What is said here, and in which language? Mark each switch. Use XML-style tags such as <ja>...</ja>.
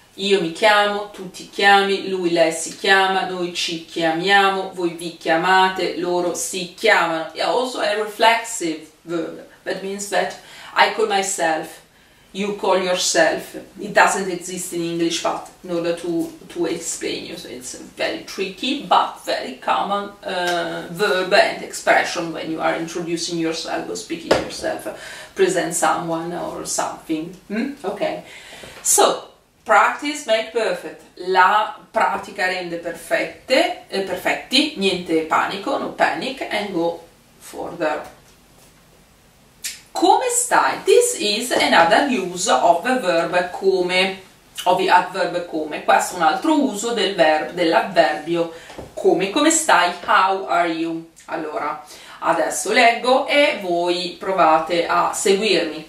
<it>Io mi chiamo, tu ti chiami, lui, lei si chiama, noi ci chiamiamo, voi vi chiamate, loro si chiamano.</it> <en>Yeah, also a reflexive verb. That means that I call myself, you call yourself. It doesn't exist in English, but in order to explain you, so it's very tricky, but very common verb and expression when you are introducing yourself or speaking yourself, present someone or something. Okay. So, practice make perfect.</en> <it>La pratica rende perfette, perfetti, niente panico,</it> <en>no panic, and go further.</en> <it>Come stai?</it> <en>This is another use of the verb come, of the adverb come.</en> <it>Questo è un altro uso del verb, dell'avverbio come. Come stai?</it> <en>How are you?</en> <it>Allora, adesso leggo e voi provate a seguirmi.</it>